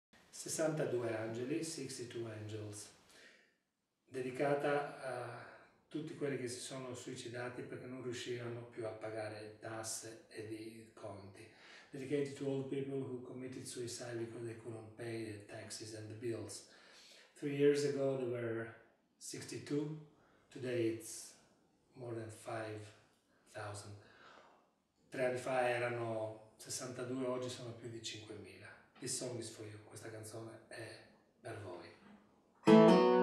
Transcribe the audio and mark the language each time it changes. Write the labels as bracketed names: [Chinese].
[Italian] 62 angeli, 62 angels, dedicata a tutti quelli che si sono suicidati perché non riuscivano più a pagare tasse e i conti. [English] Dedicated to all the people who committed suicide because they couldn't pay the taxes and the bills. 3 years ago there were 62, today it's more than 5,000. [Italian] 3 anni fa erano 62, oggi sono più di 5,000. [English] This song is for you, [Italian] questa canzone è per voi.